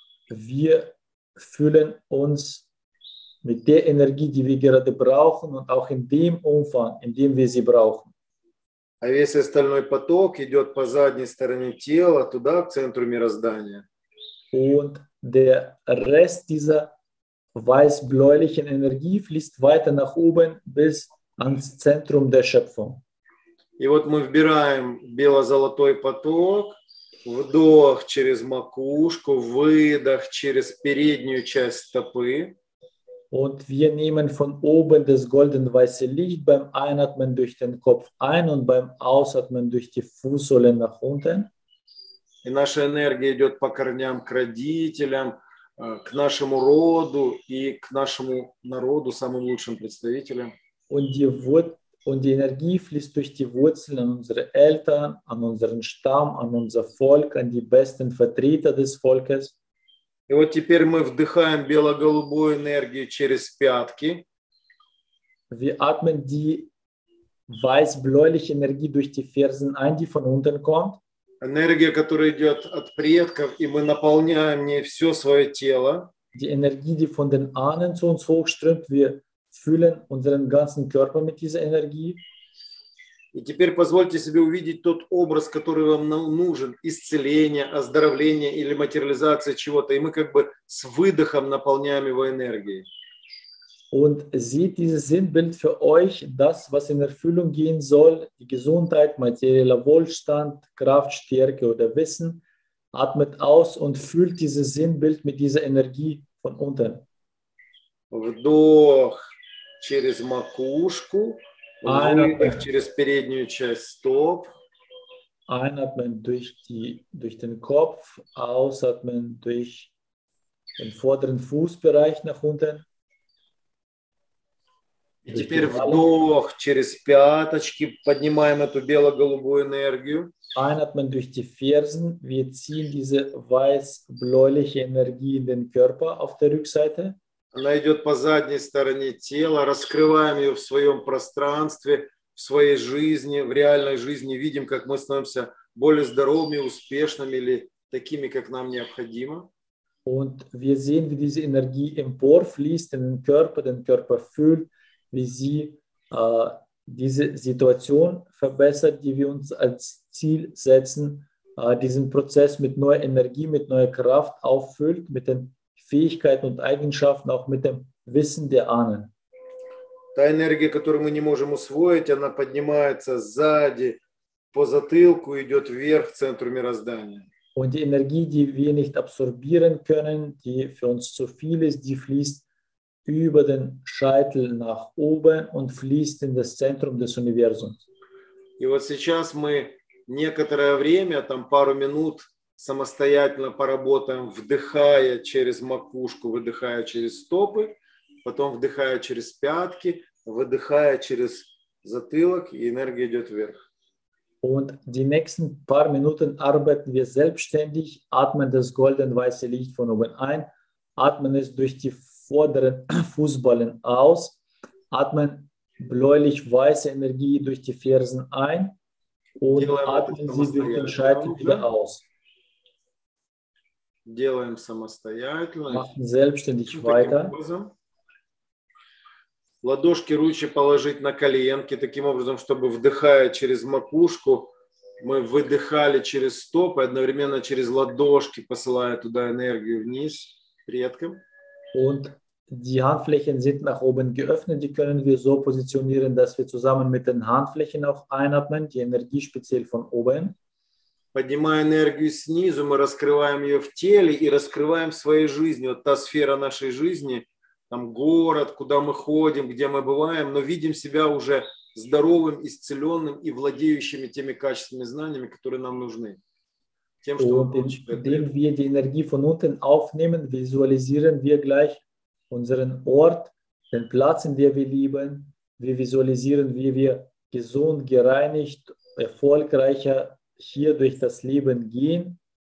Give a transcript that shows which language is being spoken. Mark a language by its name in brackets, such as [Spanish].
[German] Wir füllen uns mit der Energie, die wir gerade brauchen, und auch in dem Umfang, in dem wir sie brauchen. [Russian] А весь остальной поток идет по задней стороне тела, туда, к центру мироздания. [German] Und der Rest dieser weiß-bläulichen Energie fließt weiter nach oben bis ans Zentrum der Schöpfung. [Russian] И вот мы вбираем бело-золотой поток, вдох через макушку, выдох через переднюю часть стопы. [German] Und wir nehmen von oben das golden-weiße Licht beim Einatmen durch den Kopf ein und beim Ausatmen durch die Fußsohlen nach unten. [Russian] И наша энергия идет по корням к родителям, к нашему роду и к нашему народу, самым лучшим представителям. [German] Und die Energie fließt durch die Wurzeln an unsere Eltern, an unseren Stamm, an unser Volk, an die besten Vertreter des Volkes. [Russian] И вот теперь мы вдыхаем бело-голубую энергию через пятки. [German] Wir atmen die weiß-bläuliche Energie durch die Fersen ein, die von unten kommt. [Russian] Энергия, которая идет от предков, и мы наполняем ней все свое тело. [German] Die Energie, die von den Ahnen zu uns hochströmt, wir füllen unseren ganzen Körper mit dieser Energie. [Russian] И теперь позвольте себе увидеть тот образ, который вам нужен, исцеление, оздоровление или материализация чего-то, и мы как бы с выдохом наполняем его энергией. [German] Und sieht dieses Sinnbild für euch das, was in Erfüllung gehen soll, die Gesundheit, materieller Wohlstand, Kraft, Stärke oder Wissen, atmet aus und füllt dieses Sinnbild mit dieser Energie von unten. [Russian] Вдох через макушку, выдох через переднюю часть стоп. [German] Einatmen durch den Kopf, ausatmen durch den vorderen Fußbereich nach unten. [Russian] И теперь вдох через пяточки, поднимаем эту бело-голубую энергию. [German] Einatmen durch die Fersen, wir ziehen diese weiß-bläuliche Energie in den Körper auf der Rückseite. [Russian] Она идет по задней стороне тела, раскрываем ее в своем пространстве, в своей жизни, в реальной жизни, видим, как мы становимся более здоровыми, успешными или такими, как нам необходимо. [German] Und wir sehen, wie diese Energie emporfließt in den Körper füllt, wie sie diese Situation verbessert, die wir uns als Ziel setzen, diesen Prozess mit neuer Energie, mit neuer Kraft auffüllt, mit den Fähigkeiten und Eigenschaften, auch mit dem Wissen der Ahnen. [Russian] Та энергия, которую мы не можем усвоить, она поднимается сзади, по затылку, идет вверх, к центру мироздания. [German] Und die Energie, die wir nicht absorbieren können, die für uns zu viel ist, die fließt über den Scheitel nach oben und fließt in das Zentrum des Universums. [Russian] И вот сейчас мы некоторое время, там пару минут, самостоятельно поработаем, вдыхая через макушку, выдыхая через стопы, потом вдыхая через пятки, выдыхая через затылок, и энергия идет вверх. [German] Und die nächsten paar Minuten arbeiten wir selbstständig, atmen das golden-weiße Licht von oben ein, atmen es durch die vorderen Fußballen aus, atmen bläulich-weiße Energie durch die Fersen ein und atmen sie durch den Scheitel wieder aus. [Russian] Делаем самостоятельно. [German] Machen selbstständig weiter. [Russian] Образом. Ладошки, ручки положить на коленки, таким образом, чтобы вдыхая через макушку, мы выдыхали через стопы, одновременно через ладошки посылая туда энергию вниз, предкам. [German] Und die Handflächen sind nach oben geöffnet, die können wir so positionieren, dass wir zusammen mit den Handflächen auch einatmen, die Energie speziell von oben. [Russian] Поднимая энергию снизу, мы раскрываем ее в теле и раскрываем в своей жизни. Вот та сфера нашей жизни, там город, куда мы ходим, где мы бываем, но видим себя уже здоровым, исцеленным и владеющими теми качествами, знаниями, которые нам нужны. Тем, что мы получим. Когда мы [German] die Energie von unten aufnehmen, visualisieren wir gleich unseren Ort, den Platz, in dem wir leben. Wir visualisieren, wie wir gesund, gereinigt erfolgreicher hier durch das Leben gehen.